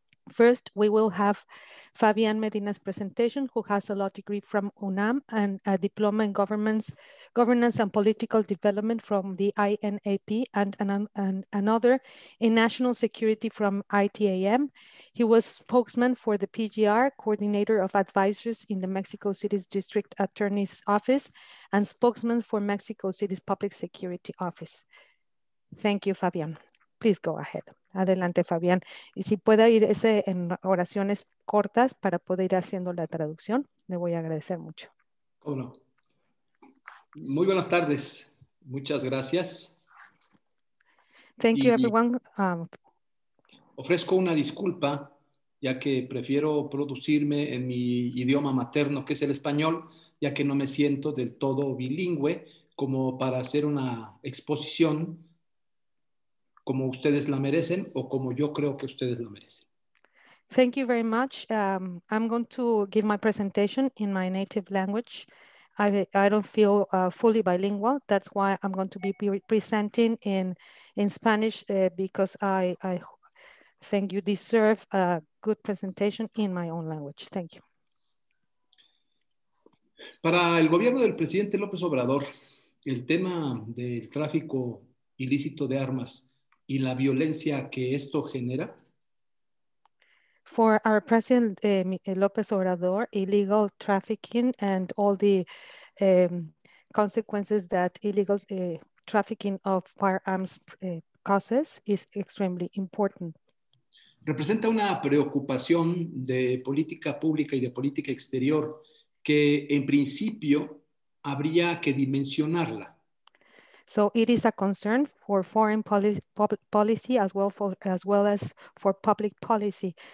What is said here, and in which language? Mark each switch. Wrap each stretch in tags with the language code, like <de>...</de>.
<en>First, we will have Fabián Medina's presentation, who has a law degree from UNAM and a diploma in governance and political development from the INAP and another in national security from ITAM. He was spokesman for the PGR, coordinator of advisors in the Mexico City's District Attorney's Office, and spokesman for Mexico City's Public Security Office. Thank you, Fabián. Please go ahead. Adelante, Fabián.</en> <es>Y si puede ir ese en oraciones cortas para poder ir haciendo la traducción, le voy a agradecer mucho. ¿Cómo no? Muy buenas tardes. Muchas gracias.</es> <en>Thank you, everyone.</en> <es>Ofrezco una disculpa, ya que prefiero producirme en mi idioma materno, que es el español, ya que no me siento del todo bilingüe como para hacer una exposición como ustedes la merecen o como yo creo que ustedes lo merecen.</es> <en>Thank you very much. I'm going to give my presentation in my native language. I don't feel fully bilingual. That's why I'm going to be presenting in Spanish because I think you deserve a good presentation in my own language. Thank you.</en> <es>Para el gobierno del presidente López Obrador, el tema del tráfico ilícito de armas y la violencia que esto genera.</es> <en>for our president López Obrador, illegal trafficking and all the consequences that illegal trafficking of firearms causes is extremely important.</en> <es>Representa una preocupación de política pública y de política exterior que en principio habría que dimensionarla.</es> <en>So it is a concern for foreign policy as well as for public policy.</en>